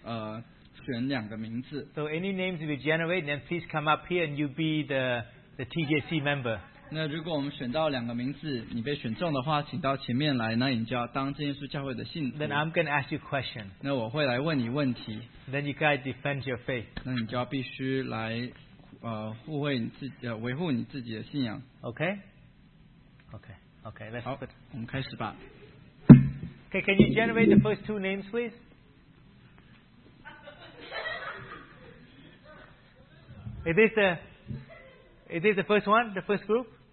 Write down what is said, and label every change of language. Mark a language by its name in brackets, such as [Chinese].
[English] So any names you generate, then please come up here and you be the TJC member. [Chinese] 那如果我们选到两个名字，你被选中的话， 请到前面来, 那你就要当这件事教会的信徒。 [English] Then I'm going to ask you a question. [Chinese] 那我会来问你问题。 [English] Then you guys defend your faith. [Chinese] 那你就要必须来, 护卫你自己, 维护你自己的信仰。 [English] Okay? Okay, okay, let's [Chinese] 好, [English] put it. [Chinese] 我们开始吧。 [English] Okay, can you generate the first two names, please? Is this the first one, the first group?